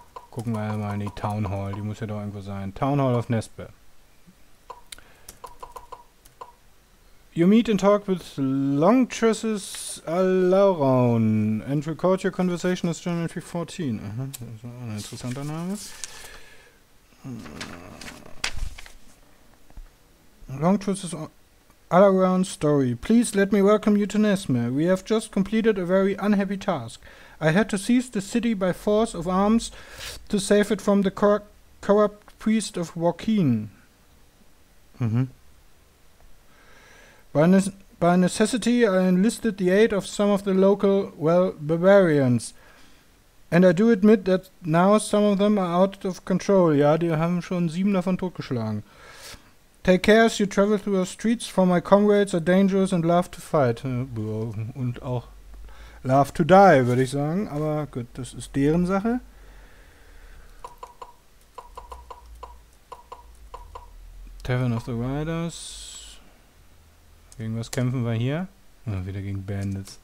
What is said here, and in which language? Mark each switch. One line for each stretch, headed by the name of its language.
German: Gucken wir mal in die Town Hall, die muss ja doch irgendwo sein. Town Hall of Nespe.
English: You meet and talk with Longtresses Alauron and record your conversation as Journal Entry 14.
German: Das ist ein interessanter Name.
English: Longtresses Alauron Story. Please let me welcome you to Nesmer. We have just completed a very unhappy task. I had to seize the city by force of arms to save it from the corrupt priest of Joaquin. By necessity, I enlisted the aid of some of the local, well, barbarians. And I do admit that now some of them are out of control.
German: Ja, die haben schon 7 davon totgeschlagen.
English: Take care as you travel through our streets, for my comrades are dangerous and love to fight.
German: Und auch
English: love to die,
German: würde ich sagen. Aber gut, das ist deren Sache. Tavern of the Riders. Gegen was kämpfen wir hier? Oh, wieder gegen Bandits.